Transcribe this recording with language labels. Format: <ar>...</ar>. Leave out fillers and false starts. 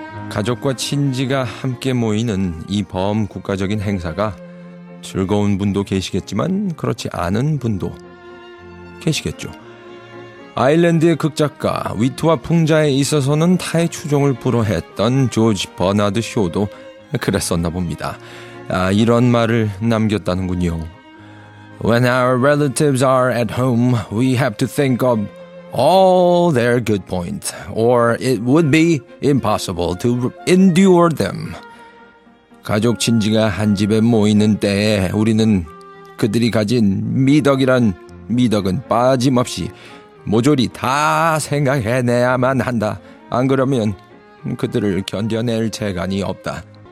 <ko>가족과 친지가 함께 모이는 이 범국가적인 행사가 즐거운 분도 계시겠지만 그렇지 않은 분도 계시겠죠. 아일랜드의 극작가 위트와 풍자에 있어서는 타의 추종을 불허했던 조지 버나드 쇼도 그랬었나 봅니다. 아, 이런 말을 남겼다는군요.</ko> <en>When our relatives are at home, we have to think of all their good points, or it would be impossible to endure them.</en> <ko>가족 친지가 한 집에 모이는 때에 우리는 그들이 가진 미덕이란 미덕은 빠짐없이 모조리 다 생각해내야만 한다. 안 그러면 그들을 견뎌낼 재간이 없다.</ko>